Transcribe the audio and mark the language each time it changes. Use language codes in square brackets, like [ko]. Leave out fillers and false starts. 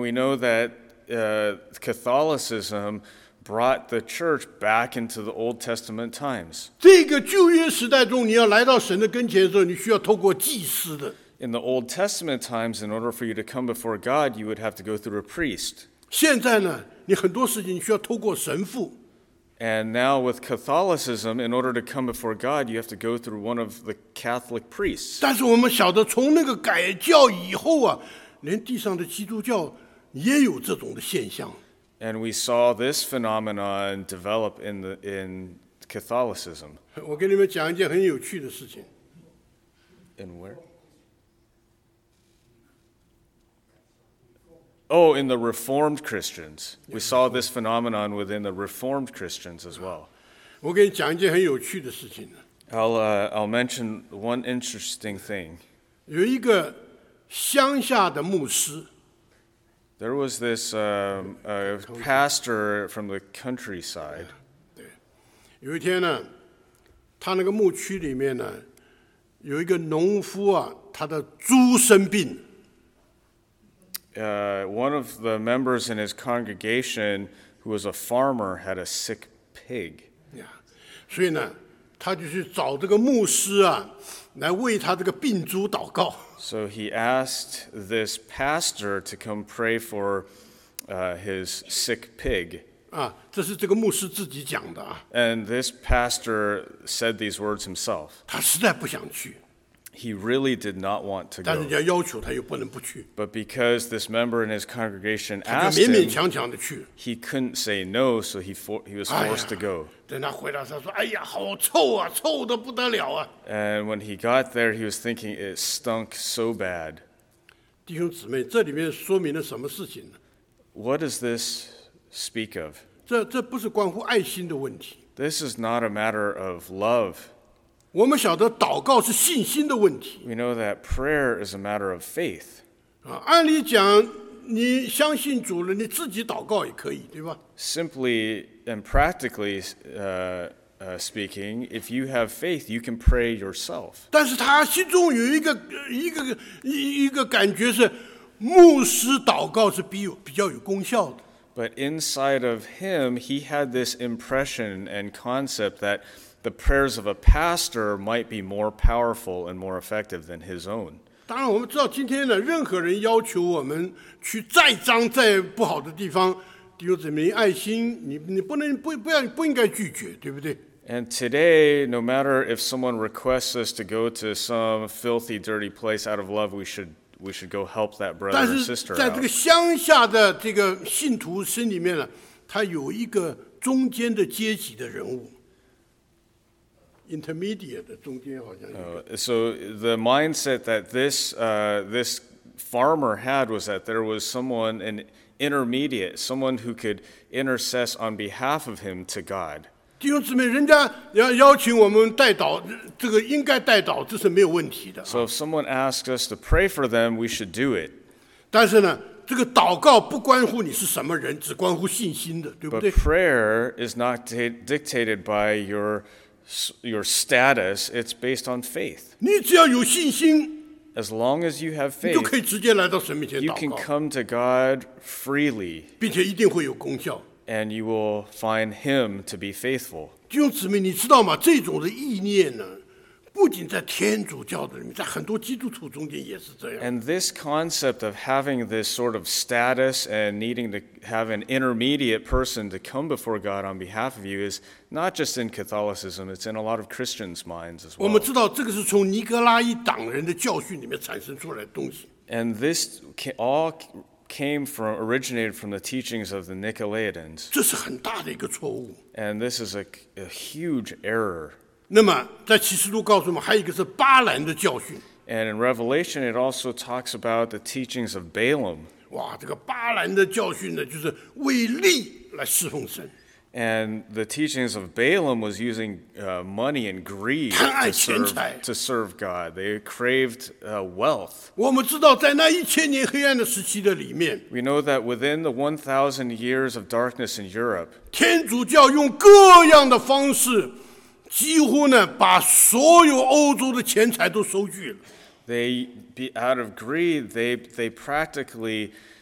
[en] we know that Catholicism brought the church back into the Old Testament times. [zh] 这个旧约时代中，你要来到神的跟前的时候，你需要透过祭司的。In [en] the Old Testament times, in order for you to come before God, you would have to go through a priest. [zh] 现在呢，你很多事情你需要透过神父。And [en] now with Catholicism, in order to come before God, you have to go through one of the Catholic priests. [zh] 但是我们晓得，从那个改教以后啊，连地上的基督教也有这种的现象。 [en] And we saw this phenomenon develop in Catholicism. [zh] 我给你们讲一件很有趣的事情。 [en] In where? Oh, in the Reformed Christians. We saw this phenomenon within the Reformed Christians as well. [zh] 我给你讲一件很有趣的事情。 [en] I'll mention one interesting thing. [zh] 有一个乡下的牧师。 [en] There was this pastor from the countryside. [zh] 对，有一天呢，他那个牧区里面呢，有一个农夫啊，他的猪生病。 [en] One of the members in his congregation, who was a farmer, had a sick pig. Yeah. [zh] 所以呢，他就去找这个牧师啊，来为他这个病猪祷告。 [en] So he asked this pastor to come pray for his sick pig. [zh] 啊，这是这个牧师自己讲的啊。 [en] And this pastor said these words himself. [zh] 他实在不想去。 [en] He really did not want to go. [zh] 但人家要求他又不能不去。 [en] But because this member in his congregation asked him, he couldn't say no, so he was forced to go. [zh] 等他回来，他说：“哎呀，好臭啊，臭得不得了啊！” [en] And when he got there, he was thinking it stunk so bad. [zh] 弟兄姊妹，这里面说明了什么事情呢？ [en] What does this speak of? [zh] 这不是关乎爱心的问题。 [en] This is not a matter of love. [zh] 我们晓得祷告是信心的问题。 [en] We know that prayer is a matter of faith. [zh] 按理讲，你相信主了，你自己祷告也可以，对吧？ [en] Simply and practically speaking, if you have faith, you can pray yourself. [zh] 但是他心中有一个感觉是，牧师祷告是比较有功效的。 [en] But inside of him, he had this impression and concept that. The prayers of a pastor might be more powerful and more effective than his own. [zh] 当然我们知道今天呢，任何人要求我们去再脏再不好的地方，弟兄姊妹，爱心，你不能不不要不应该拒绝，对不对？ [en] And today, no matter if someone requests us to go to some filthy, dirty place out of love, we should go help that brother or sister out. [zh] 但是在这个乡下的这个信徒心里面呢，他有一个中间的阶级的人物。 Intermediate, 中间好像有一个。 [en] So the mindset that this farmer had was that there was someone, an intermediate, someone who could intercess on behalf of him to God. [zh] 弟兄姊妹，人家邀请我们代祷，这个应该代祷，这是没有问题的。 [en] So if someone asks us to pray for them, we should do it. [zh] 但是呢，这个祷告不关乎你是什么人，只关乎信心的，对不对？ [en] But prayer is not dictated by your status, it's based on faith. [zh] 你只要有信心, [en] as long as you have faith, [zh] 你就可以直接来到神面前祷告, [en] you can come to God freely, [zh] 并且一定会有功效, [en] and you will find him to be faithful. [zh] 弟兄姊妹, 你知道吗? 这种的意念呢, 不仅在天主教的里面, 在很多基督徒中间也是这样。 [en] And this concept of having this sort of status and needing to have an intermediate person to come before God on behalf of you isNot just in Catholicism, it's in a lot of Christians' minds as well. [zh] 我们知道这个是从尼格拉伊党人的教训里面产生出来的东西。 [en] And this all originated from the teachings of the Nicolaitans. [zh] 这是很大的一个错误。 [en] And this is a huge error. [zh] 那么在启示录告诉我们，还有一个是巴兰的教训。 [en] And in Revelation, it also talks about the teachings of Balaam. [zh] 哇，这个巴兰的教训呢，就是为利来侍奉神。 [en] And the teachings of Balaam was using money and greed to serve God. They craved wealth. [zh] 我们知道在那一千年黑暗的时期的里面， [en] We know that within the 1,000 years of darkness in Europe, [zh] 天主教用各样的方式几乎呢把所有欧洲的钱财都收据了。 [en] They, out of greed, they practically...